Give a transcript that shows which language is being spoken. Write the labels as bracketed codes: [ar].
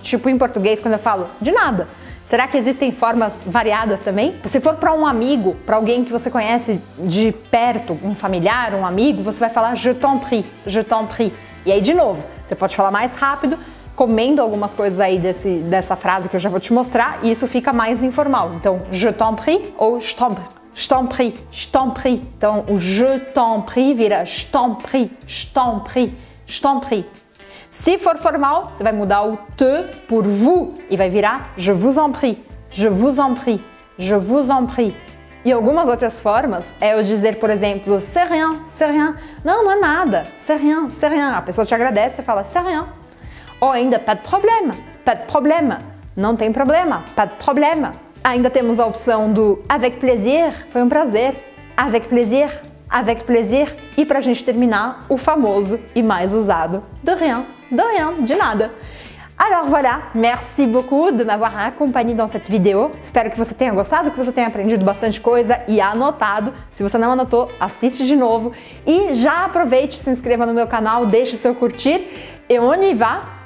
[pt] Tipo em português, quando eu falo de nada. Será que existem formas variadas também? Se for para um amigo, para alguém que você conhece de perto, um familiar, um amigo, você vai falar [fr] je t'en prie, je t'en prie. [pt] E aí, de novo, você pode falar mais rápido, comendo algumas coisas aí dessa frase que eu já vou te mostrar, e isso fica mais informal. [fr] Então, je t'en prie ou je t'en prie. Je t'en prie, je t'en prie. Então, o je t'en prie vira je t'en prie, je t'en prie, je t'en prie. [pt] Se for formal, você vai mudar o te por vous e vai virar [fr] je vous en prie, [pt] je vous en prie, je vous en prie. E algumas outras formas é eu dizer, por exemplo, [fr] c'est rien, c'est rien. [pt] Não, não é nada, [fr] c'est rien, c'est rien. [pt] A pessoa te agradece e fala [fr] c'est rien. [pt] Ou ainda, [fr] pas de problème, pas de problème. [pt] Não tem problema, [fr] pas de problème. [pt] Ainda temos a opção do [fr] avec plaisir, [pt] foi um prazer. [fr] Avec plaisir. [pt] E para a gente terminar, o famoso e mais usado, [fr] de rien, [pt] de nada. [fr] Alors voilà, merci beaucoup de m'avoir accompagné dans cette vidéo. [pt] Espero que você tenha gostado, que você tenha aprendido bastante coisa e anotado. Se você não anotou, assiste de novo. E já aproveite, se inscreva no meu canal, deixe seu curtir. [fr] Et on y va!